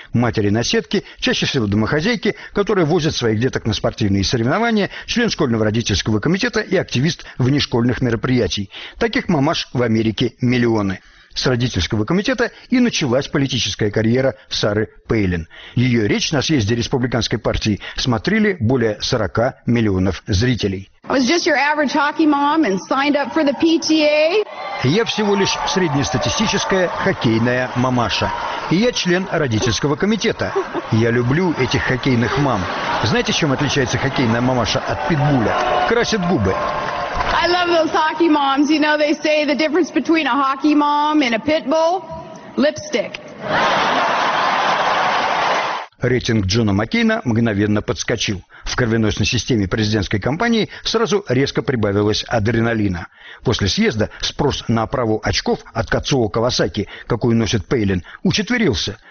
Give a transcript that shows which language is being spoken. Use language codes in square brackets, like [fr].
[ru] Матери на сетке, чаще всего домохозяйки, которые возят своих деток на спортивные соревнования, член школьного родительского комитета и активист внешкольных мероприятий. Таких мамаш в Америке миллионы. с родительского комитета и началась политическая карьера Сары Пейлин. Ее речь на съезде республиканской партии смотрели более 40 миллионов зрителей. [en] I was just your average hockey mom and signed up for the PTA. [ru] Я всего лишь среднестатистическая хоккейная мамаша. Я член родительского комитета. Я люблю этих хоккейных мам. Знаете, чем отличается хоккейная мамаша от питбуля? Красит губы. [en] I love those hockey moms. You know, they say the difference between a hockey mom and a pit bull? Lipstick. [ru] Рейтинг Джона Маккейна мгновенно подскочил. В кровеносной системе президентской кампании сразу резко прибавилось адреналина. После съезда спрос на оправу очков от Кацуо Кавасаки, какую носит Пейлин, учетверился.